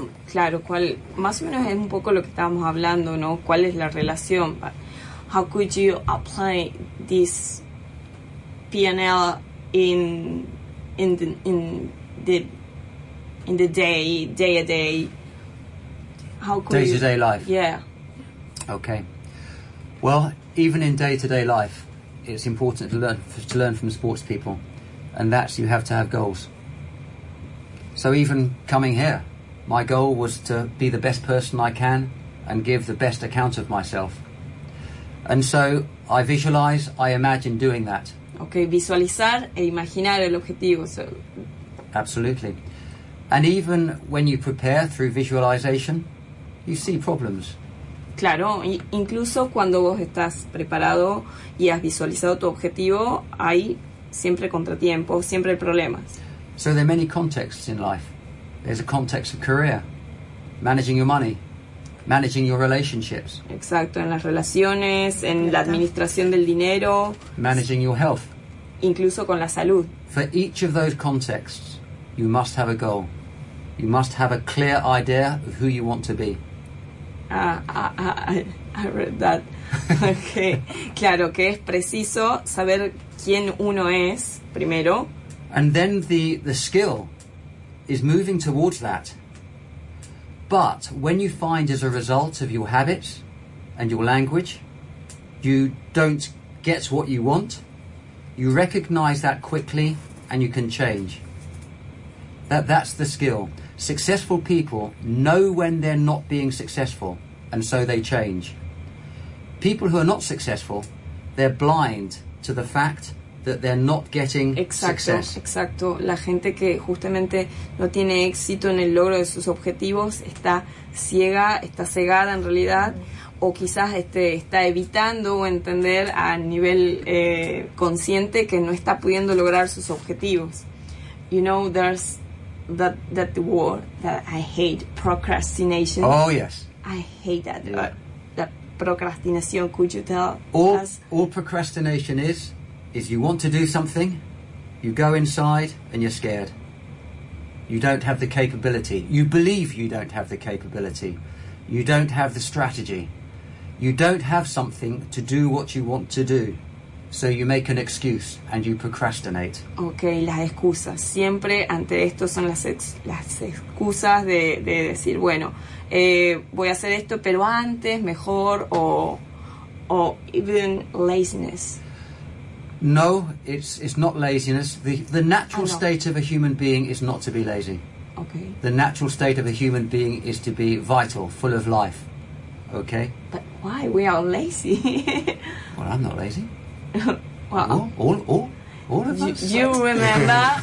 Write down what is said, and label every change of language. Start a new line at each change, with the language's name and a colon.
Spanish: Claro, cuál más o menos es un poco lo que estábamos hablando, ¿no? ¿Cuál es la relación?
English: How could you apply this PNL in the day to day? How could day to day life? Yeah. Okay. Well, even in day to day life, it's important to learn from sports people, and that's you have to have goals. So even coming here, my goal was to be the best person I can and give the best account of myself. And so I visualize, I imagine doing that.
Spanish: Okay, visualizar e imaginar el objetivo. So.
English: Absolutely. And even when you prepare through visualization, you see problems.
Spanish: Claro, incluso cuando vos estás preparado y has visualizado tu objetivo, hay siempre contratiempos, siempre problemas.
English: So there are many contexts in life. There's a context of career, managing your money, managing your relationships.
Spanish: Exacto, en las relaciones, en la administración del dinero.
English: Managing your health.
Spanish: Incluso con la salud.
English: For each of those contexts, you must have a goal. You must have a clear idea of who you want to be. I read that. Okay.
Spanish: Claro, que es preciso saber quién uno es primero.
English: And then the skill is moving towards that. But when you find as a result of your habits and your language, you don't get what you want, you recognize that quickly and you can change. That's the skill. Successful people know when they're not being successful and so they change. People who are not successful, they're blind to the fact that they're not getting success.
Spanish: Exacto. La gente que justamente no tiene éxito en el logro de sus objetivos está ciega, está cegada en realidad, o quizás está evitando entender a nivel consciente que no está pudiendo lograr sus objetivos.
English: You know, there's that the word that I hate, procrastination. Oh yes. I hate that. That procrastination. Could you tell us? All procrastination is. Is you want to do something, you go inside and you're scared. You don't have the capability. You believe you don't have the capability. You don't have the strategy. You don't have something to do what you want to do. So you make an excuse and you procrastinate.
Spanish: Okay, las excusas. Siempre ante esto son las excusas de decir, bueno, voy a hacer esto, pero antes, mejor, o
English: even laziness. No, it's not laziness. The natural state of a human being is not to be lazy. Okay. The natural state of a human being is to be vital, full of life. okay. But why? We are lazy. Well, I'm not lazy. Well, all of you remember?